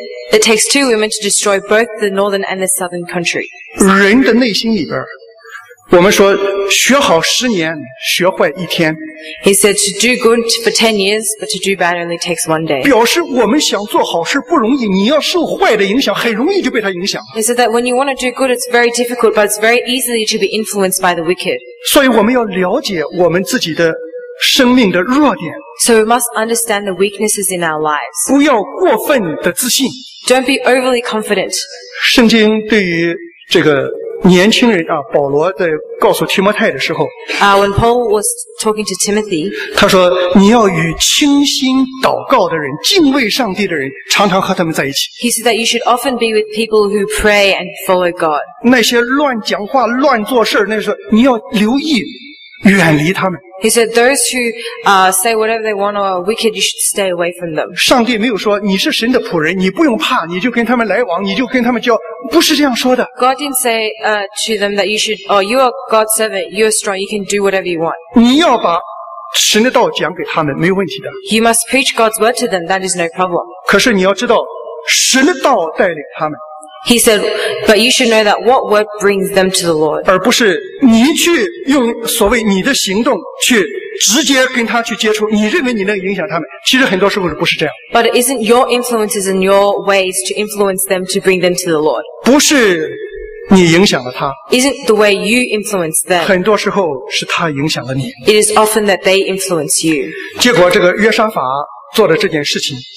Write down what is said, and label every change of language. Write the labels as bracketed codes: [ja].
[en] It takes two women to destroy both the northern and the southern country. [zh] 人的内心里边，我们说学好10年，学坏一天。 [en] He said to do good for 10 years, but to do bad only takes one day. [zh] 表示我们想做好事不容易，你要受坏的影响，很容易就被它影响。 [en] He said that when you want to do good, it's very difficult, but it's very easily to be influenced by the wicked. [zh] 所以我们要了解我们自己的生命的弱点。 [en] So we must understand the weaknesses in our lives. [zh] 不要过分的自信。 [en] Don't be overly confident. [zh] 圣经对于这个年轻人啊，保罗在告诉提摩太的时候， [en] When Paul was talking to Timothy, [zh] 他说你要与清心祷告的人、敬畏上帝的人常常和他们在一起。 [en] He said that you should often be with people who pray and follow God. [zh] 那些乱讲话、乱做事，那时候你要留意，远离他们。 [en] He said those who say whatever they want or are wicked, you should stay away from them. [zh] 上帝没有说你是神的仆人，你不用怕，你就跟他们来往，你就跟他们交。不是这样说的。 [en] God didn't say to them that you should, oh, you are God's servant, you are strong, you can do whatever you want. [zh] 你要把神的道讲给他们，没有问题的。 [en] You must preach God's word to them, that is no problem. [zh] 可是你要知道，神的道带领他们。 [en] He said, but you should know that what word brings them to the Lord. [zh] 而不是你去用所谓你的行动去直接跟他去接触，你认为你能影响他们，其实很多时候不是这样。 [en] But it isn't your influences and your ways to influence them to bring them to the Lord. [zh] 不是你影响了他。 [en] Isn't the way you influence them. [zh] 很多时候是他影响了你。 [en] It is often that they influence you. [zh] 结果这个约沙法做的这件事情。